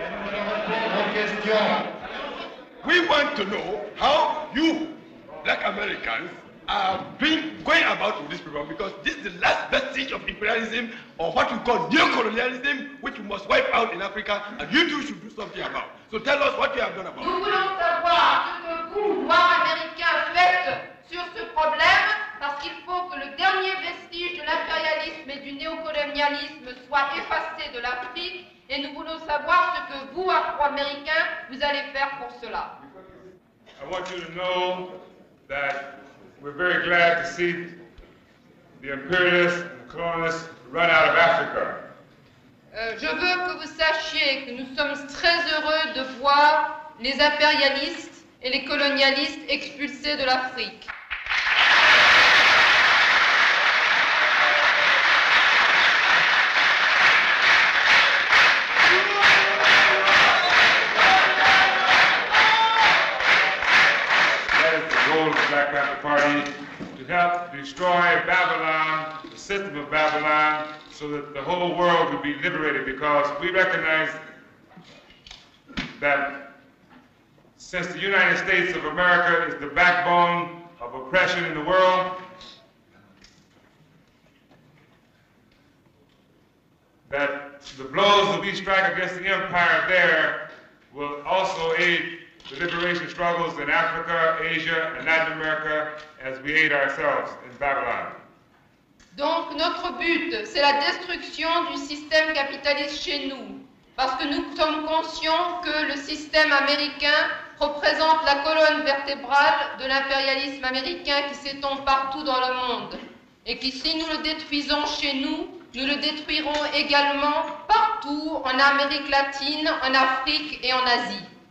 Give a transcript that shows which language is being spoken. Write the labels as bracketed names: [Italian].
[English] We want to know how you, Black Americans, been going about with this problem, because this is the last vestige of imperialism or what you call neocolonialism, which you must wipe out in Africa, and you two should do something about. So tell us what you have done about. [French] Nous voulons savoir ce que le pouvoir américain fait sur ce problème, parce qu'il faut que le dernier vestige de l'impérialisme et du néocolonialisme soit effacé de l'Afrique, et nous voulons savoir ce que vous, Afro-Américains, vous allez faire pour cela. [English] I want you to know that we're very glad to see the imperialists and the colonists run out of Africa. [French] Je veux que vous sachiez que nous sommes très heureux de voir les impérialistes et les colonialistes expulsés de l'Afrique. [English] Thank you. goal of the Black Panther Party to help destroy Babylon, the system of Babylon, so that the whole world would be liberated, because we recognize that since the United States of America is the backbone of oppression in the world, that the blows that we strike against the empire there will also aid the liberation struggles in Africa, Asia, and Latin America as we aid ourselves in Babylon. [French] Donc notre but, c'est la destruction du système capitaliste chez nous, parce que nous sommes conscients que le système américain représente la colonne vertébrale de l'impérialisme américain qui s'étend partout dans le monde, et que si nous le détruisons chez nous, nous le détruirons également partout en Amérique latine, en Afrique et en Asie.